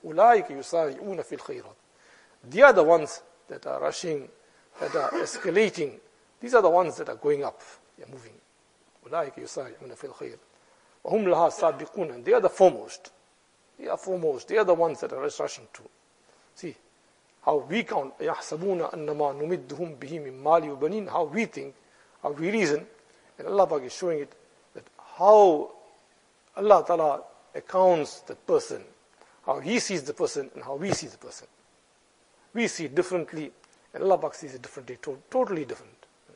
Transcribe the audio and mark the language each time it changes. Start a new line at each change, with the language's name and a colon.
Arabic: أُولَٰئِكَ يُسَارِعُونَ فِي الْخَيْرَاتِ.
English: They are the ones that are rushing, that are escalating. These are the ones that are going up. They are moving.
Arabic: أُولَٰئِكَ يُسَارِعُونَ فِي الْخَيْرَاتِ. وَهُمْ لَهَا سَابِقُونَ.
English: They are the foremost. They are foremost. They are the ones that are rushing to. See, how we count,
Arabic: يَحْسَبُونَ أَنَّمَا نُمِدُّهُمْ بِهِ مِنْ مَالِ وَبَنِينَ.
English: How we think, how we reason, and Allah Pak is showing it, that how Allah Ta'ala accounts that person, how he sees the person, and how we see the person. We see it differently, and Allah Pak sees it differently, totally different.